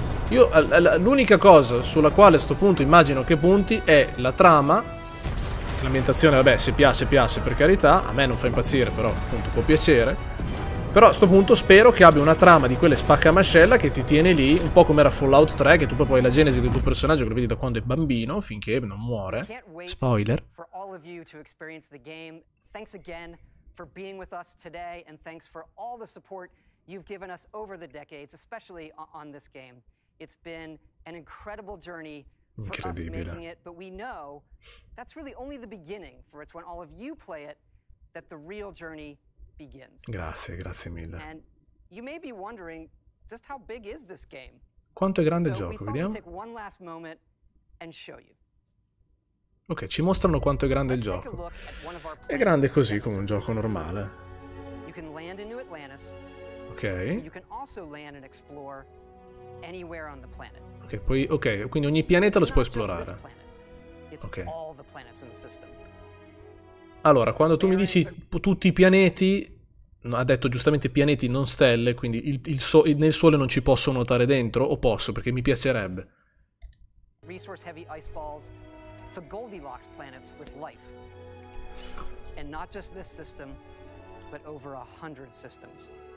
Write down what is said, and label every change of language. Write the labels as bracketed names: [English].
[Italian] Io, l'unica cosa sulla quale a sto punto immagino che punti è la trama. L'ambientazione, vabbè, se piace, per carità. A me non fa impazzire, però, appunto, può piacere. Però a sto punto spero che abbia una trama di quelle spaccamascella che ti tiene lì, un po' come era Fallout 3, che tu proprio hai la genesi del tuo personaggio, che lo vedi da quando è bambino, finché non muore. Spoiler. [English] For all of you to experience the game, thanks again for being with us today, and thanks for all the support you've given us over the decades, especially on this game. It's been an incredible journey for us making it, but we know that's really only the beginning, for it's when all of you play it that the real journey begins. [Italian] Grazie mille. [English] And you may be wondering just how big is this game? [Italian] Quanto è grande il gioco? Vediamo. [English] Take one last moment and show you. [Italian] Ok, ci mostrano quanto è grande il gioco. È grande così come un gioco normale. [English] You can land in New Atlantis. [Italian] Ok. [English] You can also land and explore anywhere on the planet. [Italian] Ok, poi ok, quindi ogni pianeta lo si può esplorare. [English] Ok. All the planets in the system. [Italian] Allora, quando tu mi dici tutti i pianeti, ha detto giustamente pianeti, non stelle, quindi nel sole non ci posso nuotare dentro, o posso, perché mi piacerebbe. [English] Resource heavy ice balls to Goldilocks planets with life. And not just this system, but over 100 systems.